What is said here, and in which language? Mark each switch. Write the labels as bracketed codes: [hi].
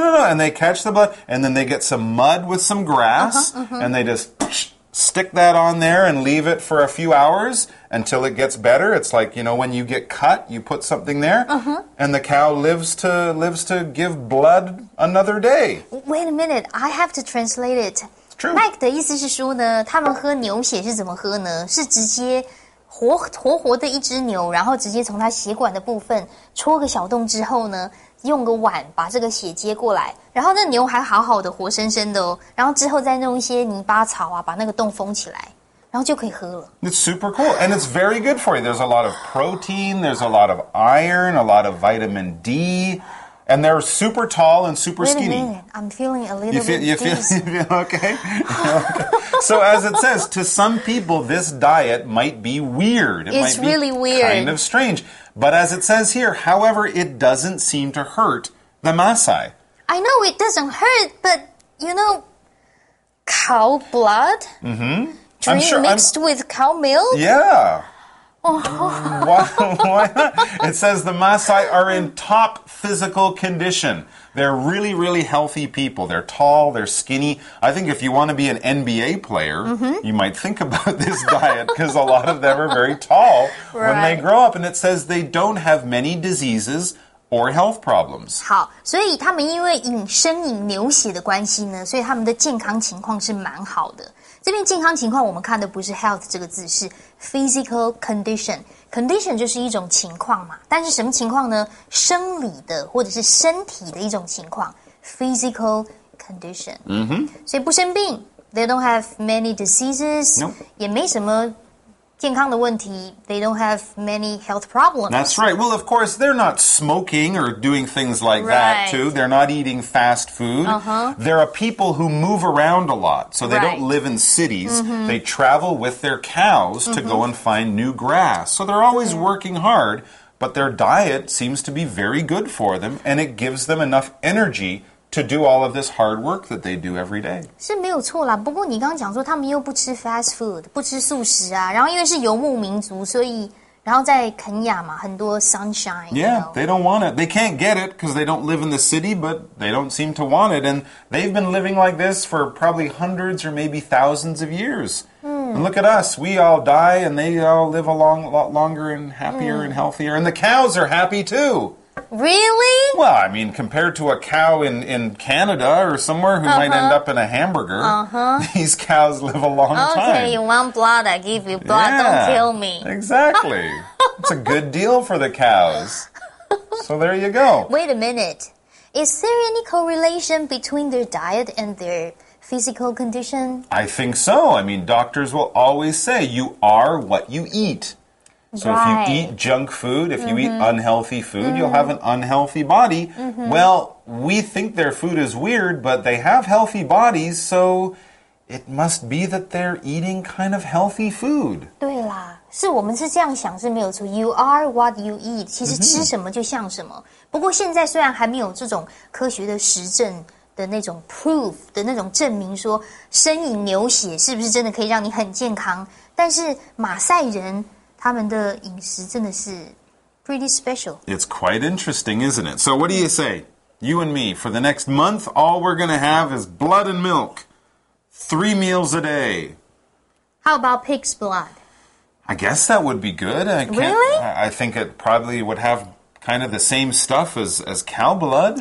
[en] And they catch the blood, and then they get some mud with some grass, and they just stick that on there and leave it for a few hours until it gets better. It's like, you know, when you get cut, you put something there, and the cow lives to give blood another day. Wait a minute, I have to translate it. True. [zh] Mike 的意思是说呢，他们喝牛血是怎么喝呢？是直接活活的一只牛，然后直接从它血管的部分戳个小洞之后呢，用个碗把这个血接过来，然后那牛还好好的活生生的哦，然后之后再弄一些泥巴草啊，把那个洞封起来，然后就可以喝了。 [en] It's super cool, and it's very good for you. There's a lot of protein, there's a lot of iron, a lot of vitamin D, And they're super tall and super skinny. Wait a minute. I'm feeling a little bit dizzy. Okay. So as it says, to some people, this diet might be weird. It's really weird. Kind of strange. But as it says here, however, it doesn't seem to hurt the Maasai. I know it doesn't hurt, but, you know, cow blood? Mm-hmm. Mixed with cow milk? Yeah. Why not? It says the Maasai are in top physical condition. They're really, really healthy people. They're tall, they're skinny. I think if you want to be an NBA player, mm-hmm. you might think about this diet because a lot of them are very tall right. when they grow up. And it says they don't have many diseases or health problems. [zh] 好，所以他们因为饮流血的关系呢，所以他们的健康情况是蛮好的。这边健康情况我们看的不是 health 这个字，是 physical condition。 condition 就是一种情况嘛，但是什么情况呢？生理的或者是身体的一种情况 ，physical condition。嗯哼。所以不生病 ， [en] they don't have many diseases。 Nope. [zh] 也没什么健康的问题 ， [en] they don't have many health problems. That's right. Well, of course, they're not smoking or doing things like right. that, too. They're not eating fast food. Uh-huh. There are people who move around a lot, so they right. don't live in cities. Mm-hmm. They travel with their cows mm-hmm. to go and find new grass. So they're always mm-hmm. working hard, but their diet seems to be very good for them, and it gives them enough energy to do all of this hard work that they do every day. [zh] 是没有错啦，不过你刚刚讲说他们又不吃 fast food, 不吃素食啊，然后因为是游牧民族，所以然后在肯亚嘛，很多 sunshine. [en] Yeah, you know? They don't want it. They can't get it because they don't live in the city, but they don't seem to want it. And they've been living like this for probably hundreds or maybe thousands of years. And look at us, we all die and they all live a lot longer and happier and healthier. And the cows are happy too. Really? Well, I mean, compared to a cow in Canada or somewhere who uh-huh. might end up in a hamburger, uh-huh. these cows live a long okay, time. Okay, you want blood, I give you blood, yeah, don't kill me. Exactly. It's a good deal for the cows. So there you go. Wait a minute. Is there any correlation between their diet and their physical condition? I think so. I mean, doctors will always say you are what you eat. So right. if you eat junk food, if you mm-hmm. eat unhealthy food, mm-hmm. you'll have an unhealthy body. Mm-hmm. Well, we think their food is weird, but they have healthy bodies, so it must be that they're eating kind of healthy food. [zh] 对啦，是我们是这样想是没有错。 [en] You are what you eat. [zh] 其实吃什么就像什么。不过现在虽然还没有这种科学的实证的那种 proof 的那种证明说生饮牛血是不是真的可以让你很健康，但是马赛人他们的饮食真的是 [en] pretty special. It's quite interesting, isn't it? So what do you say? You and me, for the next month, all we're going to have is blood and milk. 3 meals a day. How about pig's blood? I guess that would be good. Really? I think it probably would have kind of the same stuff as cow blood.